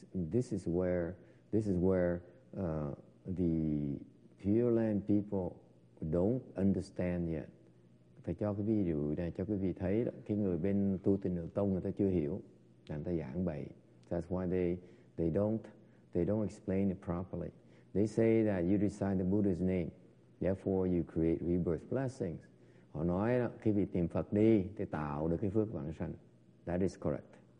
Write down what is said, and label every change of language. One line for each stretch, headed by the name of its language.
English: This is where the Pure Land people don't understand yet.
Vietnamese: Thầy cho cái video này cho quý vị thấy đó, cái người bên tu tịnh độ tông người ta chưa hiểu, người ta giảng bậy.
English: That's why they don't explain it properly. They say that you recite the Buddha's name, therefore you create rebirth blessings.
Vietnamese: Họ nói đó, khi vị tìm Phật đi thì tạo được cái phước vãng sanh.
English: That is correct.